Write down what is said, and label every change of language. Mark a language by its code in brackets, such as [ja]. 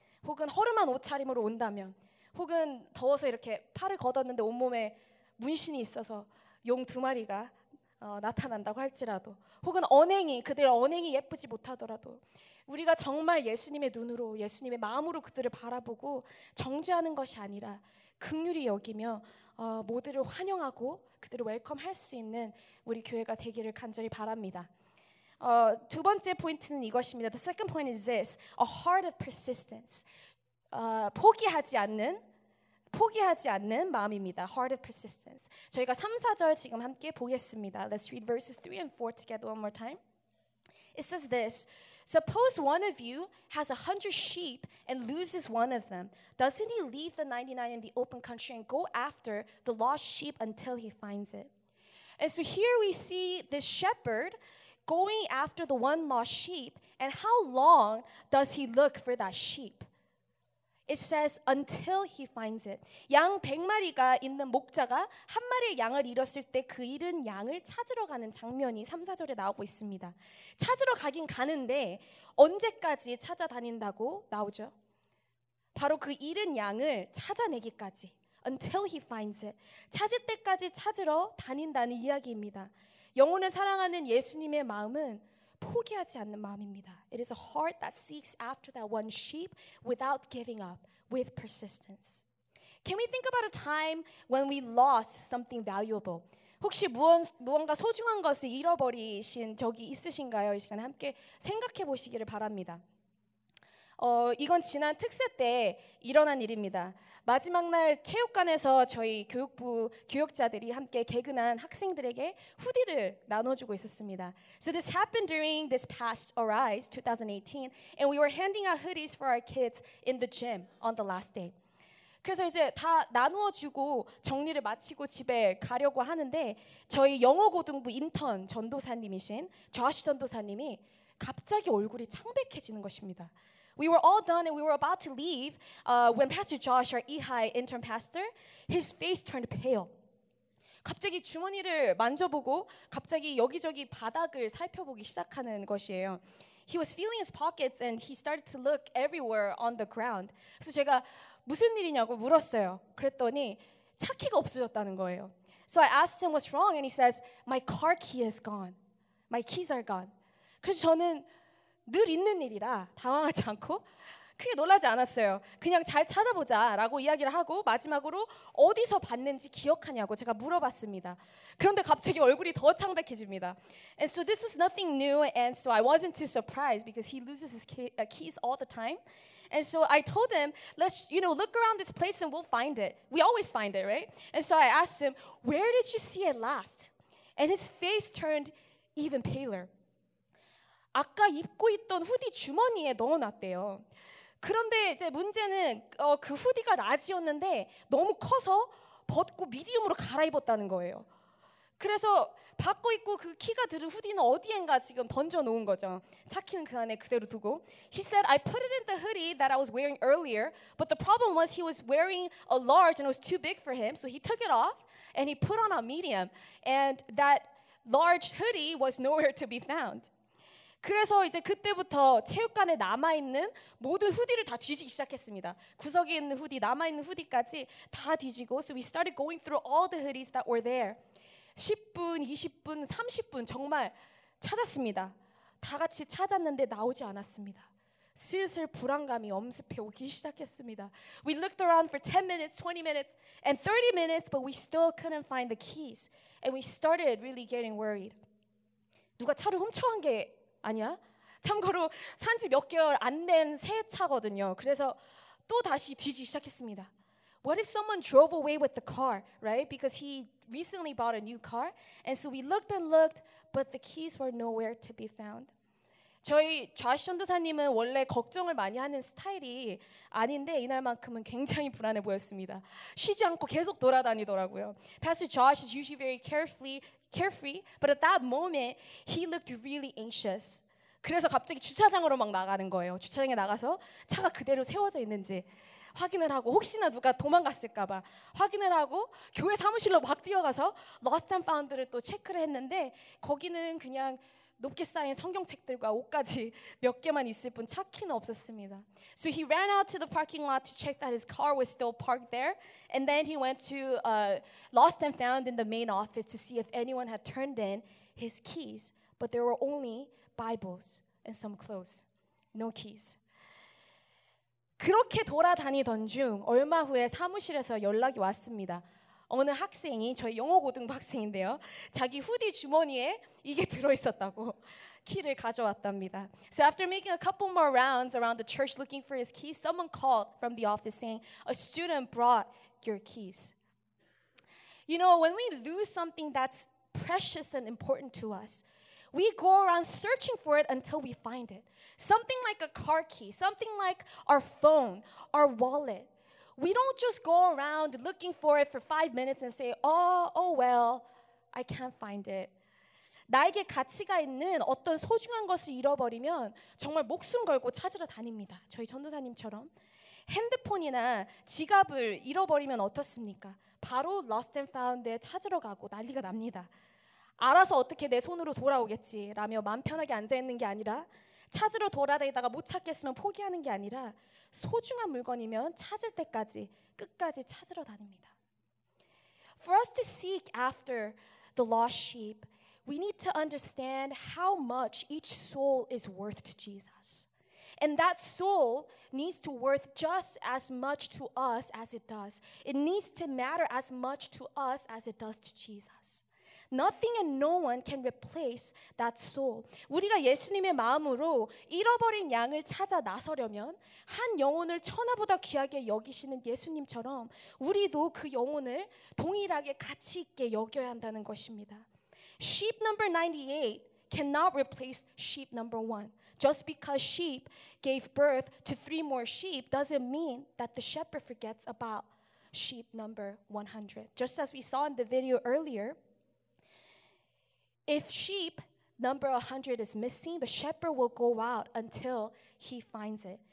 [ko] 혹은 허름한 옷차림으로 온다면, 혹은 더워서 이렇게 팔을 걷었는데 온몸에 문신이 있어서 용 두 마리가 나타난다고 할지라도, 혹은 언행이 그들의 언행이 예쁘지 못하더라도 우리가 정말 예수님의 눈으로 예수님의 마음으로 그들을 바라보고 정죄하는 것이 아니라 긍휼히 여기며 모두를 환영하고 그들을 웰컴할 수 있는 우리 교회가 되기를 간절히 바랍니다. 두 번째 포인트는 이것입니다. [en] The second point is this. A heart of persistence. [ko] 포기하지 않는 마음입니다. [en] Heart of persistence. [ko] 저희가 3, 4절 지금 함께 보겠습니다. [en] Let's read verses 3 and 4 together one more time. It says this. Suppose one of you has 100 sheep and loses one of them. Doesn't he leave the 99 in the open country and go after the lost sheep until he finds it? And so here we see this shepherd going after the one lost sheep, and how long does he look for that sheep? It says until he finds it. [ko] 양 100마리가 있는 목자가 한 마리의 양을 잃었을 때 그 잃은 양을 찾으러 가는 장면이 3, 4절에 나오고 있습니다. 찾으러 가긴 가는데 언제까지 찾아다닌다고 나오죠? 바로 그 잃은 양을 찾아내기까지. Until he finds it. 찾을 때까지 찾으러 다닌다는 이야기입니다. 영혼을 사랑하는 예수님의 마음은 포기하지 않는 마음입니다. [en] It is a heart that seeks after that one sheep without giving up, with persistence. Can we think about a time when we lost something valuable? [ko] 혹시 무언가 소중한 것을 잃어버리신 적이 있으신가요? 이 시간에 함께 생각해 보시기를 바랍니다. 이건 지난 특세 때 일어난 일입니다. 마지막 날 체육관에서 저희 교육부 교육자들이 함께 개근한 학생들에게 후디를 나눠주고 있었습니다. [en] So this happened during this past Arise 2018 and we were handing out hoodies for our kids in the gym on the last day. [ko] 그래서 이제 다 나누어주고 정리를 마치고 집에 가려고 하는데 저희 영어고등부 인턴 전도사님이신 조아시 전도사님이 갑자기 얼굴이 창백해지는 것입니다. [en] We were all done and we were about to leave when Pastor Josh, our Ehi intern pastor, his face turned pale. [ko] 갑자기 주머니를 만져보고 갑자기 여기저기 바닥을 살펴보기 시작하는 것이에요. [en] He was feeling his pockets and he started to look everywhere on the ground. [ko] 그래서 제가 무슨 일이냐고 물었어요. 그랬더니 차 키가 없어졌다는 거예요. [en] So I asked him what's wrong and he says, my car key is gone. My keys are gone. [ko] 그래서 저는 늘 있는 일이라 당황하지 않고 크게 놀라지 않았어요. 그냥 잘 찾아보자 라고 이야기를 하고 마지막으로 어디서 봤는지 기억하냐고 제가 물어봤습니다. 그런데 갑자기 얼굴이 더 창백해집니다. [en] And so this was nothing new and so I wasn't too surprised because he loses his keys all the time. And so I told him, let's, you know, look around this place and we'll find it. We always find it, right? And so I asked him, where did you see it last? And his face turned even paler. [ko] 아까 입고 있던 후디 주머니에 넣어놨대요. 그런데 이제 문제는 그 후디가 라지였는데 너무 커서 벗고 미디움으로 갈아입었다는 거예요. 그래서 받고 있고 그 키가 들은 후디는 어디엔가 지금 던져놓은 거죠. 차 키는 그 안에 그대로 두고. [en] He said, I put it in the hoodie that I was wearing earlier, but the problem was he was wearing a large and it was too big for him, so he took it off and he put on a medium, and that large hoodie was nowhere to be found. [ko] 그래서 이제 그때부터 체육관에 남아있는 모든 후디를 다 뒤지기 시작했습니다. 구석에 있는 후디, 남아있는 후디까지 다 뒤지고 [en] So we started going through all the hoodies that were there. [ko] 10분, 20분, 30분 정말 찾았습니다. 다 같이 찾았는데 나오지 않았습니다. 슬슬 불안감이 엄습해 오기 시작했습니다. [en] We looked around for 10 minutes, 20 minutes, and 30 minutes, but we still couldn't find the keys. And we started really getting worried. [ko] 누가 차를 훔쳐간 게 아니야. 참고로 산 지 몇 개월 안 된 새 차거든요. 그래서 또 다시 뒤지기 시작했습니다. [en] What if someone drove away with the car, right? Because he recently bought a new car. And so we looked and looked, but the keys were nowhere to be found. [ko] 저희 좌시 전도사님은 원래 걱정을 많이 하는 스타일이 아닌데 이날만큼은 굉장히 불안해 보였습니다. 쉬지 않고 계속 돌아다니더라고요. [en] Pastor Josh is usually very carefree, but at that moment, he looked really anxious. [ko] 그래서 갑자기 주차장으로 막 나가는 거예요. 주차장에 나가서 차가 그대로 세워져 있는지 확인을 하고 혹시나 누가 도망갔을까 봐 확인을 하고 교회 사무실로 막 뛰어가서 Lost and Found를 또 체크를 했는데 거기는 그냥 높게 쌓인 성경책들과 옷까지 몇 개만 있을 뿐 차 키는 없었습니다. [en] So he ran out to the parking lot to check that his car was still parked there. And then he went to Lost and Found in the main office to see if anyone had turned in his keys. But there were only Bibles and some clothes. No keys. [ko] 그렇게 돌아다니던 중 얼마 후에 사무실에서 연락이 왔습니다. 어느 학생이 저희 영어 고등부 학생인데요. 자기 후디 주머니에 이게 들어있었다고 키를 가져왔답니다. [en] So after making a couple more rounds around the church looking for his keys, someone called from the office saying, a student brought your keys. You know, when we lose something that's precious and important to us, we go around searching for it until we find it. Something like a car key, something like our phone, our wallet. We don't just go around looking for it for 5 minutes and say, oh, well, I can't find it. [ko] 나에게 가치가 있는 어떤 소중한 것을 잃어버리면 정말 목숨 걸고 찾으러 다닙니다. 저희 전도사님처럼 핸드폰이나 지갑을 잃어버리면 어떻습니까? 바로 lost and found에 찾으러 가고 난리가 납니다. 알아서 어떻게 내 손으로 돌아오겠지라며 마음 편하게 앉아있는 게 아니라 찾으러 돌아다니다가 못 찾겠으면 포기하는 게 아니라 소중한 물건이면 찾을 때까지 끝까지 찾으러 다닙니다. [en] For us to seek after the lost sheep, we need to understand how much each soul is worth to Jesus. And that soul needs to worth just as much to us as it does. It needs to matter as much to us as it does to Jesus. Nothing and no one can replace that soul. [ko] 우리가 예수님의 마음으로 잃어버린 양을 찾아 나서려면 한 영혼을 천하보다 귀하게 여기시는 예수님처럼 우리도 그 영혼을 동일하게 가치 있게 여겨야 한다는 것입니다. [en] Sheep number 98 cannot replace sheep number 1. Just because sheep gave birth to 3 more sheep doesn't mean that the shepherd forgets about sheep number 100. Just as we saw in the video earlier, if sheep number 100 is missing, the shepherd will go out until he finds it.